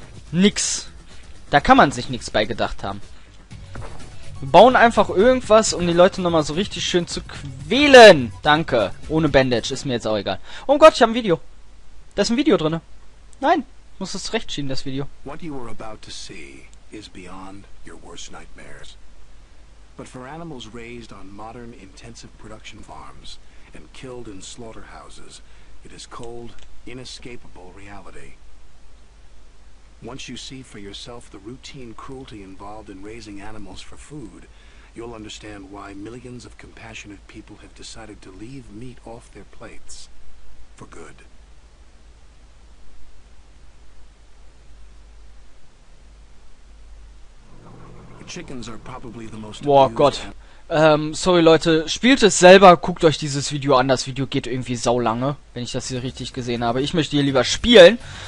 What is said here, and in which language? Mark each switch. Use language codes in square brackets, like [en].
[de] Nix. Da kann man sich nichts bei gedacht haben. Wir bauen einfach irgendwas, um die Leute nochmal so richtig schön zu quälen. Danke. Ohne Bandage. Ist mir jetzt auch egal. Oh Gott, ich habe ein Video. Da ist ein Video drinne. Nein. Muss es zurechtschieben, das Video. [en] What you are about to see is beyond your worst nightmares. But for animals raised on modern intensive production farms and killed in slaughterhouses, it is cold, inescapable reality. Once you see for yourself the routine cruelty involved in raising animals for food, you'll understand why millions of compassionate people have decided to leave meat off their plates for good. Chickens are probably the most. [de] Boah, Gott. Sorry Leute, spielt es selber, guckt euch dieses Video an, das Video geht irgendwie saulange, wenn ich das hier richtig gesehen habe. Ich möchte hier lieber spielen.